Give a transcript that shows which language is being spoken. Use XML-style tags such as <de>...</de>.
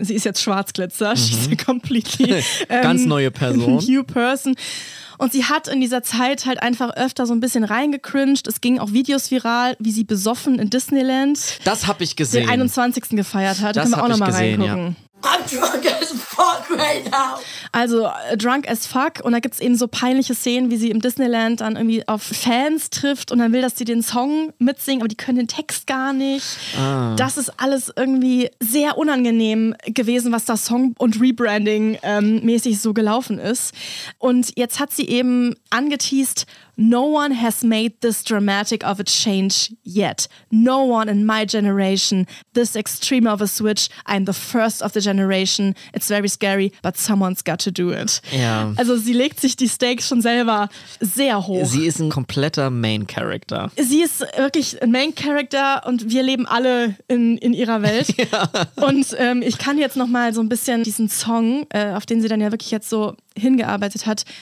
<de>Sie ist jetzt Schwarzglitzer.</de> <en>Mhm. She's a completely</en> <de>ganz neue Person.</de> <en>New person.</en> <de>Und sie hat in dieser Zeit halt einfach öfter so ein bisschen reingecringed. Es gingen auch Videos viral, wie sie besoffen in Disneyland. Das hab ich gesehen. Den 21. gefeiert hat. Das können wir auch nochmal reingucken. Ja.</de> <en>I'm drunk as fuck right now.</en> <de>Also</de> <en>drunk as fuck.</en> <de>Und da gibt's eben so peinliche Szenen, wie sie im Disneyland dann irgendwie auf Fans trifft und dann will, dass sie den Song mitsingen, aber die können den Text gar nicht. Ah. Das ist alles irgendwie sehr unangenehm gewesen, was da Song- und Rebranding-mäßig so gelaufen ist. Und jetzt hat sie eben angeteased,</de> <en>no one has made this dramatic of a change yet. No one in my generation, this extreme of a switch. I'm the first of the generation. It's very scary, but someone's got to do it.</en> <de>Ja. Also sie legt sich die Stakes schon selber sehr hoch. Sie ist ein kompletter Main-Character. Sie ist wirklich ein Main-Character und wir leben alle in ihrer Welt. Ja. Und ich kann jetzt nochmal so ein bisschen diesen Song, auf den sie dann ja wirklich jetzt so hingearbeitet hat.</de>